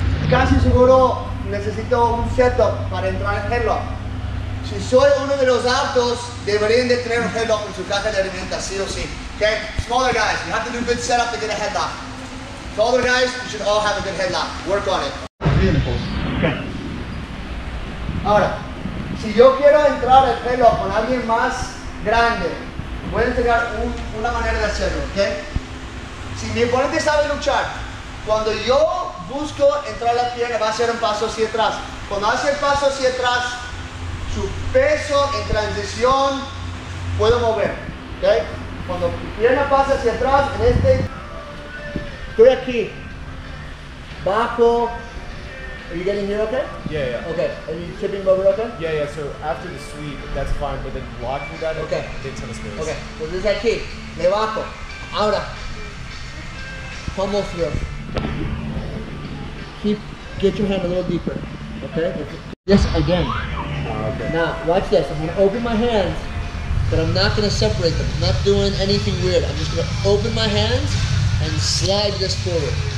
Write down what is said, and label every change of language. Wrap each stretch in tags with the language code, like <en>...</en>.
<es>Casi seguro necesito un setup para entrar en headlock. Si soy uno de los altos, deberían de tener un headlock en su caja de herramientas, sí o sí.</es> <en>Okay? Smaller guys, you have to do a good setup to get a headlock. Taller guys, you should all have a good headlock. Work on it. Okay.</en> <es>Ahora, si yo quiero entrar en headlock con alguien más grande, voy a entregar una manera de hacerlo. Okay? Si mi oponente sabe luchar, cuando yo busco entrar la pierna, va a hacer un paso hacia atrás. Cuando hace el paso hacia atrás, su peso en transición puedo mover. ¿Okay? Cuando mi pierna pasa hacia atrás, en este, estoy aquí, bajo.</es> <en>Are you getting here okay? Yeah, yeah. Okay, and you tipping over okay? Yeah, yeah, so after the sweep, that's fine, but then blocking that, okay. Big ton of space. Okay, so this is</en> <es>aquí, me bajo.</es> <en>Ahora, fumble through. Keep, get your hand a little deeper, okay? Yes, again. Okay. Now, watch this. I'm going to open my hands, but I'm not going to separate them. I'm not doing anything weird. I'm just going to open my hands and slide this forward.</en>